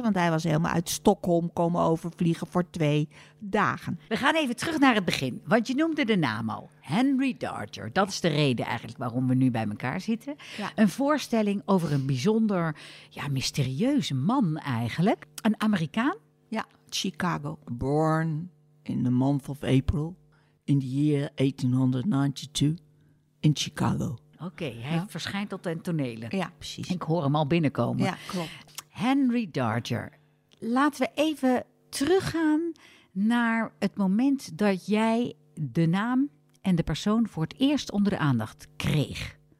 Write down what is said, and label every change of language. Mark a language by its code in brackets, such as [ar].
[nl] Want hij was helemaal uit Stockholm komen overvliegen voor 2 dagen. We gaan even terug naar het begin, want je noemde de naam al. Henry Darter, dat is de reden eigenlijk waarom we nu bij elkaar zitten. Ja. Een voorstelling over een bijzonder, mysterieuze man eigenlijk. Een Amerikaan? Ja, Chicago. [en] Born in the month of April in the year 1892 in Chicago. [nl] Oké, okay, hij verschijnt op de tonelen. Ja, precies. Ik hoor hem al binnenkomen. Ja, klopt. Henry Darter, laten we even teruggaan naar het moment dat jij de naam en de persoon voor het eerst onder de aandacht kreeg.